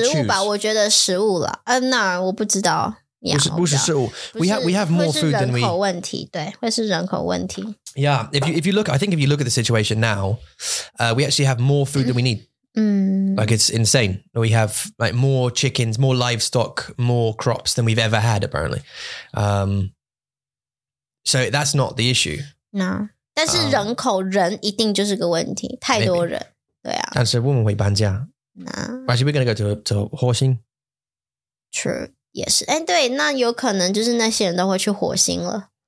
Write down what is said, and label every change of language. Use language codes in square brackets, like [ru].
[zh] 就是食物吧我觉得食物了 那我不知道不是食物 [en] we have more food than we [zh] 会是人口问题 [en] yeah if you look I think if you look at the situation now we actually have more food than we need like it's insane we have like more chickens more livestock more crops than we've ever had apparently so that's not the issue [zh] no 但是人口人一定就是个问题 太多人 对啊但是我们会搬家 [en] no actually we're gonna go to 火星 [zh] true 也是，哎，对，那有可能就是那些人都会去火星了。